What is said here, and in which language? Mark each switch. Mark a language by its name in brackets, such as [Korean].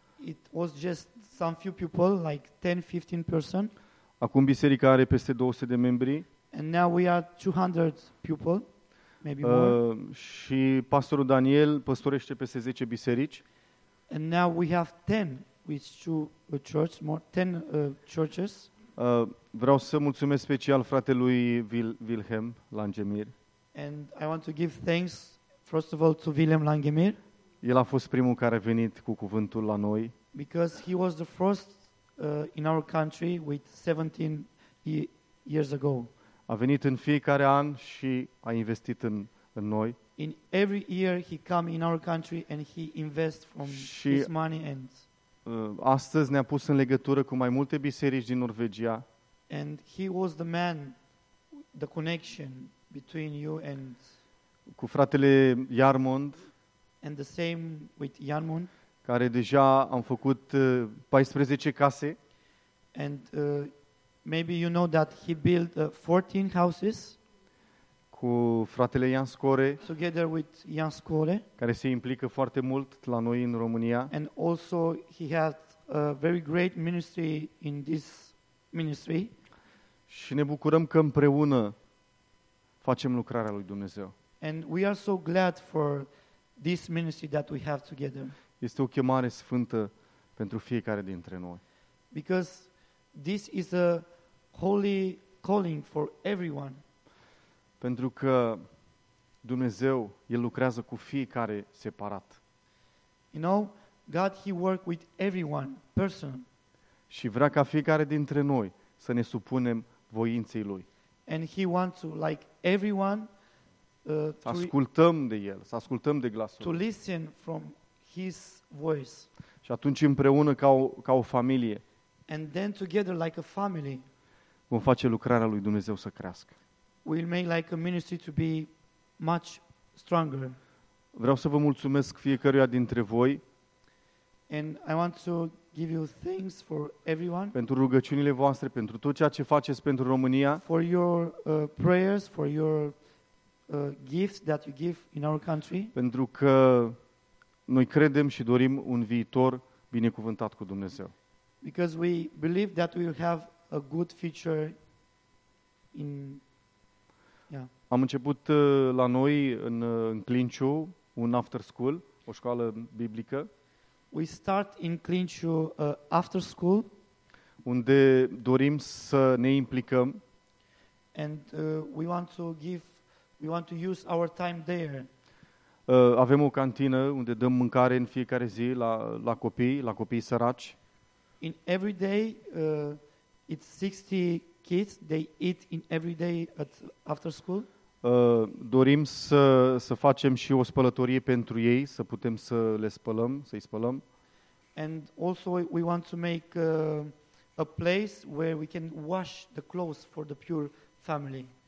[English] It was just some few people, like 10-15 person. [Romanian] Acum biserica are peste 200 de membri. [English] And now we are 200 people, maybe more. [Romanian] Și pastorul Daniel păstorește peste 10 biserici. [English] And now we have 10 with two church, more 10 churches. [Romanian] Vreau să mulțumesc special fratelui Wilhelm Langemir. [English] And I want to give thanks first of all to Wilhelm Langemir. [Romanian] El a fost primul care a venit cu cuvântul la noi. [English] Because he was the first in our country with 17 years ago. [Romanian] A venit în fiecare an și a investit în în noi. [English] In every year he come in our country and he invest from his money and [Romanian] astăzi ne-a pus în legătură cu mai multe biserici din Norvegia. [English] And he was the man, the connection between you and [Romanian] cu fratele Jarmund. [English] And the same with Jarmund, [Romanian] care deja am făcut 14 case. [English] And maybe you know that he built 14 houses [Romanian] cu fratele Jan Skore, [English] together with Jan Skore, [Romanian] care se implică foarte mult la noi în România. [English] And also he had a very great ministry in this ministry. [Romanian] Și ne bucurăm că împreună facem lucrarea lui Dumnezeu. [English] And we are so glad for this ministry that we have together. [Romanian] Este o chemare sfântă pentru fiecare dintre noi. [English] Because this is a holy calling for everyone. [Romanian] Pentru că Dumnezeu, El lucrează cu fiecare separat. [English] You know, God, He works with everyone, person. [Romanian] Și vrea ca fiecare dintre noi să ne supunem voinței Lui. [English] And He wants to, like everyone, [Romanian] să ascultăm de El, să ascultăm de glasul Lui. [English] To listen from His voice. [Romanian] Și atunci împreună ca o familie. [English] And then together like a family. [Romanian] Vom face lucrarea Lui Dumnezeu să crească. [English] We'll make like a ministry to be much stronger. [Romanian] Vreau să vă mulțumesc fiecăruia dintre voi. [English] And I want to give you thanks for everyone. [Romanian] Pentru rugăciunile voastre, pentru tot ceea ce faceți pentru România. [English] For your prayers, for your gifts that you give in our country. [Romanian] Pentru că noi credem și dorim un viitor binecuvântat cu Dumnezeu. [English] Because we believe that we'll have a good future in. [Romanian] Am început la noi în Clinciu un after school, o școală biblică. [English] We start in Clinciu after school, [Romanian] unde dorim să ne implicăm. [English] And we want to use our time there. [Romanian] Avem o cantină unde dăm mâncare în fiecare zi la copii, la copii săraci. [English] In every day it's 60 kids, they eat in every day at after school. [Romanian] Dorim să facem și o spălătorie pentru ei, să putem să le spălăm, să îi spălăm. [English] And also we want to make a place where we can wash the clothes for the pure family.